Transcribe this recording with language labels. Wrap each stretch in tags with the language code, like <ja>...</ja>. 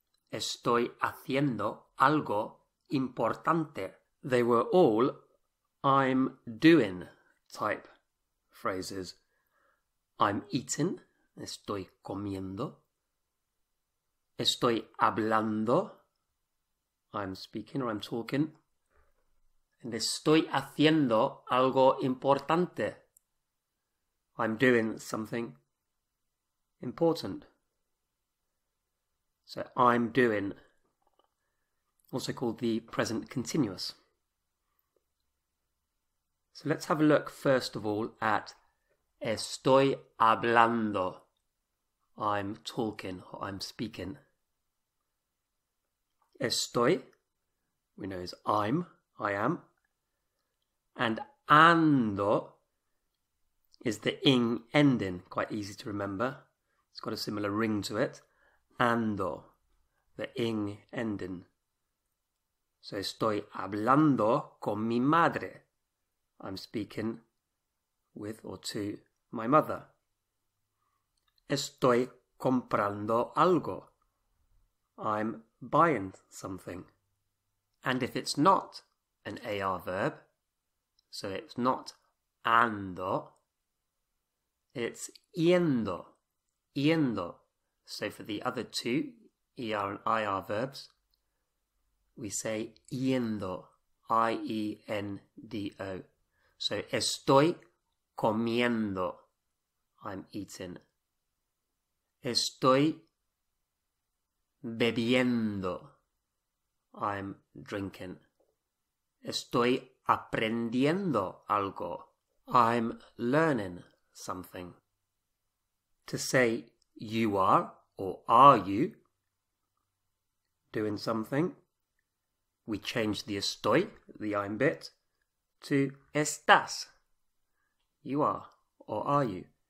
<es>Estoy haciendo algo importante.</es> <en>They were all I'm doing type phrases. I'm eating.</en> <es>Estoy comiendo. Estoy hablando.</es> <en>I'm speaking or I'm talking.</en> <es>And estoy haciendo algo importante.</es> <en>I'm doing something important. So I'm doing, also called the present continuous. So let's have a look first of all at</en> <es>estoy hablando.</es> <en>I'm talking, or I'm speaking. Estoy, we know is I'm, I am. And ando is the ing ending, quite easy to remember. It's got a similar ring to it. Ando, the ing ending.</en> <es>So estoy hablando con mi madre.</es> <en>I'm speaking with or to my mother.</en> <es>Estoy comprando algo.</es> <en>I'm buying something. And if it's not an AR verb, so it's not ando, it's yendo, yendo. So for the other two, ER and IR verbs, we say yendo, I-E-N-D-O. So</en> <es>estoy comiendo,</es> <en>I'm eating.</en> <es>Estoy bebiendo,</es> <en>I'm drinking.</en> <es>Estoy aprendiendo algo,</es> <en>I'm learning something. To say you are or are you doing something, we change the estoy, the I'm bit, to estás, you are or are you.</en>